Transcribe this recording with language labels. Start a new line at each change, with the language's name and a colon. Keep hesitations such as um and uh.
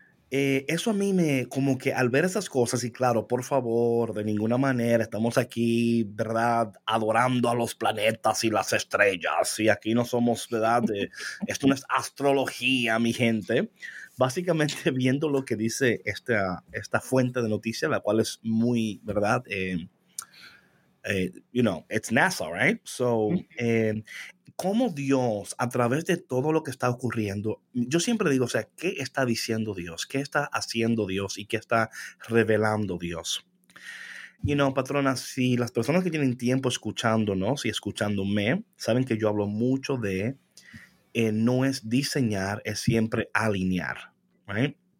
Spanish: Eh, eso a mí me, como que al ver esas cosas, y claro, por favor, de ninguna manera estamos aquí, ¿verdad? Adorando a los planetas y las estrellas, y aquí no somos, ¿verdad? De- esto no es astrología, mi gente. Básicamente viendo lo que dice esta, esta fuente de noticia, la cual es muy, ¿verdad?
English: Eh, eh, you know, it's NASA, right? So, Ujú.
Spanish: eh, cómo Dios, a través de todo lo que está ocurriendo, yo siempre digo, o sea, ¿qué está diciendo Dios? ¿Qué está haciendo Dios? ¿Y qué está revelando Dios? Y no, patrona, si las personas que tienen tiempo escuchándonos y escuchándome, saben que yo hablo mucho de eh, no es diseñar, es siempre alinear, right?